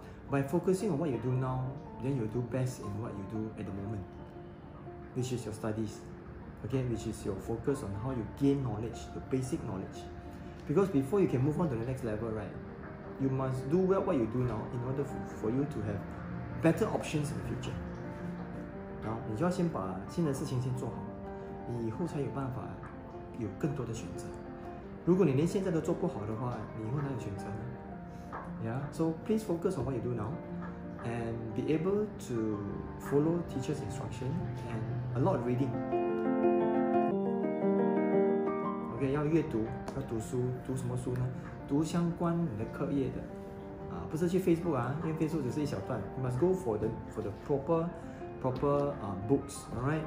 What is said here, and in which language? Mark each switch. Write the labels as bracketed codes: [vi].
[en] By focusing on what you do now, then you'll do best in what you do at the moment, which is your studies, okay? Which is your focus on how you gain knowledge, the basic knowledge. Because before you can move on to the next level, right? You must do well what you do now in order for you to have better options in the future. [zh] Now, 你就要先把新的事情先做好，你以后才有办法有更多的选择。如果你连现在都做不好的话，你以后哪有选择呢？ [en] Yeah, so please focus on what you do now and be able to follow teacher's instruction and a lot of reading. [zh] Okay, 要阅读，要读书，读什么书呢？读相关你的课业的 不是去 Facebook 因为 Facebook 只是一小段 [en] You must go for the proper books, alright?